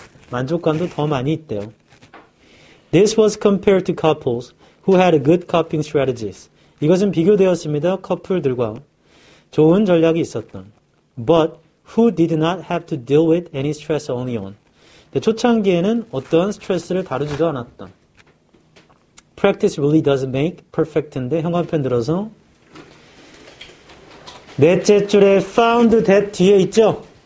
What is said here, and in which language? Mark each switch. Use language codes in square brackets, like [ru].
[ko] 만족감도 더 많이 있대요. [en] This was compared to couples who had good coping strategies. [ko] 이것은 비교되었습니다. 커플들과 좋은 전략이 있었던 [en] but who did not have to deal with any stress early on. [ko] 초창기에는 어떠한 스트레스를 다루지도 않았던. [en] Practice really does make perfect [ko] 인데 형광펜 들어서 넷째 줄에 [en] found that [ko] 뒤에 있죠?